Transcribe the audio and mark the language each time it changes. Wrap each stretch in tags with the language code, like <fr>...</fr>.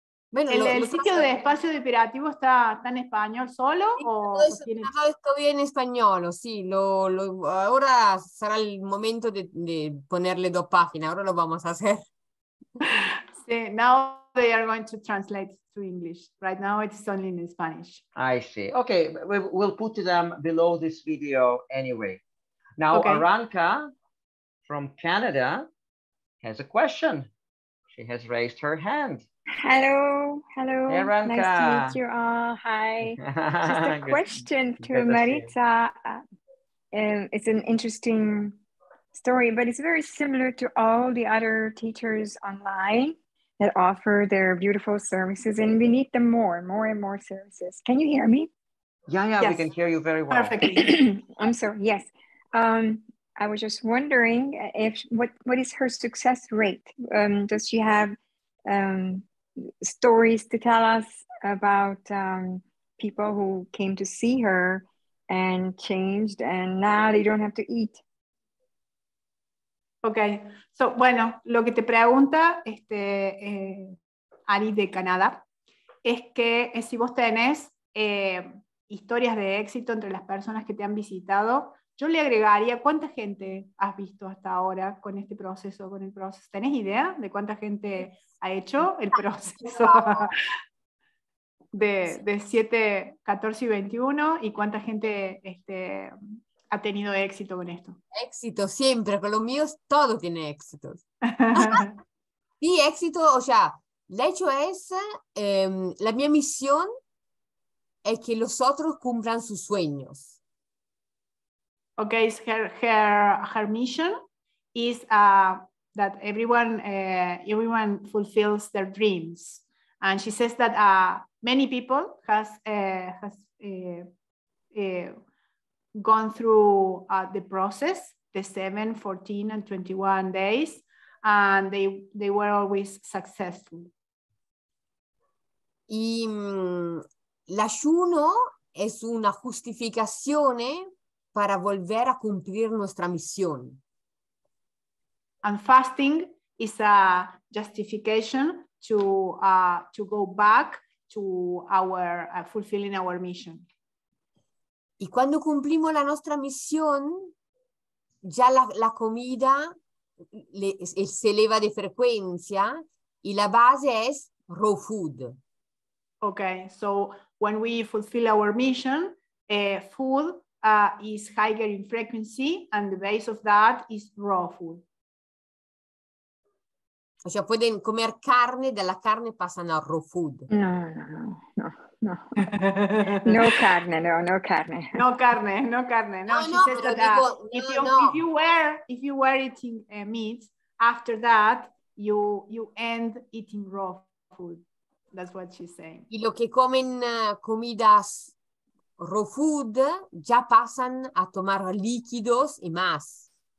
<es>Bueno, el sitio de Espacio Depurativo está en español solo Estoy en español, sí. Ahora será el momento de ponerle dos páginas. Ahora lo vamos a hacer.</es> <en>Now they are going to translate to English. Right now it's only in Spanish. I see. Okay, we'll put them below this video anyway. Now, okay. Aranka from Canada has a question. She has raised her hand. Hello. Hey, Aranka. Nice to meet you all. Hi. Just a question to Marita. It's an interesting story, but it's very similar to all the other teachers online that offer their beautiful services, and we need them more and more services. Can you hear me? Yeah, yes. We can hear you very well. Perfectly. I'm sorry, yes. I was just wondering if what is her success rate? Does she have stories to tell us about people who came to see her and changed, and now they don't have to eat?</en> <es>Okay, so bueno, lo que te pregunta Ari de Canadá es que si vos tenés historias de éxito entre las personas que te han visitado, yo le agregaría cuánta gente has visto hasta ahora con este proceso, con el proceso. ¿Tenés idea de cuánta gente ha hecho el proceso de 7, 14 y 21 y cuánta gente ha tenido éxito con esto? Éxito siempre, con los míos todo tiene éxitos. Sí, éxito, o sea, el hecho es, la mi misión es que los otros cumplan sus sueños.</es> <en>Ok, her mission is that everyone fulfills their dreams. And she says that many people gone through the process, the 7, 14, and 21 days, and they were always successful.</en> <es>Y l'ayuno es una justificación para volver a cumplir nuestra misión.</es> <en>And fasting is a justification to go back to fulfilling our mission.</en> <es>Y cuando cumplimos la nuestra misión, ya la comida se eleva de frecuencia Y la base es raw food.</es> <en>Okay, so when we fulfill our mission, food is higher in frequency and the base of that is raw food.</en> <es>O sea, pueden comer carne,</es> <it>dalla carne passano</it> <es>al raw food. No. No carne, no carne. No carne, no carne.</es> <en>No, she says that if you were eating meat, after that you end eating raw food. That's what she's saying.</en> <es>Y lo que comen comidas raw food già pasan a tomar líquidos y más.</es>